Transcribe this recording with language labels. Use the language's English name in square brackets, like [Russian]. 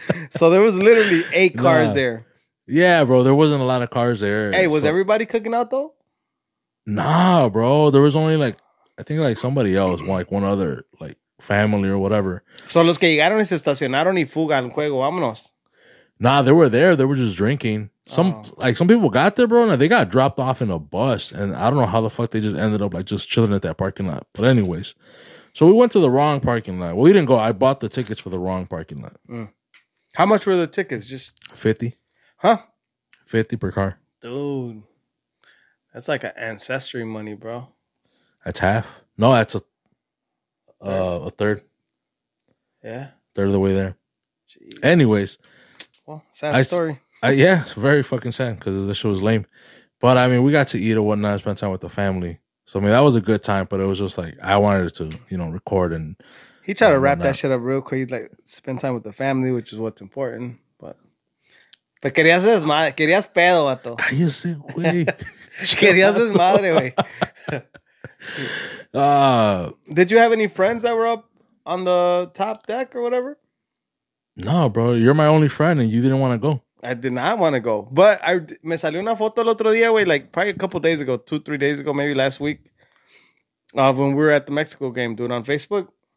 [English] So there was literally 8 cars there. Yeah, bro. There wasn't a lot of cars there. Hey, was everybody cooking out though? Nah, bro. There was only like, I think like somebody else, like one other, like family or whatever. [Spanish] So los que llegaron y se estacionaron y fugan juego, vámonos. [English] Nah, they were there. They were just drinking. Some people got there, bro, and they got dropped off in a bus. And I don't know how the fuck they just ended up like just chilling at that parking lot. But anyways, so we went to the wrong parking lot. Well, we didn't go. I bought the tickets for the wrong parking lot. Mm. How much were the tickets? Just 50. Huh? 50 per car. Dude. That's like an ancestry money, bro. That's half. No, that's a third. Yeah. Third of the way there. Jeez. Anyways. Well, sad story. Yeah, it's very fucking sad because the show was lame. But I mean, we got to eat and whatnot, spend time with the family. So I mean, that was a good time, but it was just like, I wanted to, you know, record and. He tried to wrap that shit up real quick. Like, spend time with the family, which is what's important. [Spanish] But querías desmadre, querías pedo, vato. Cállese, güey. Querías desmadre, güey. [English] Did you have any friends that were up on the top deck or whatever? No, bro. You're my only friend and you didn't want to go. I did not want to go. But [Spanish] me salió una foto el otro día, güey, [English] like probably a couple days ago, 2-3 days ago, maybe last week, when we were at the Mexico game, dude, on Facebook.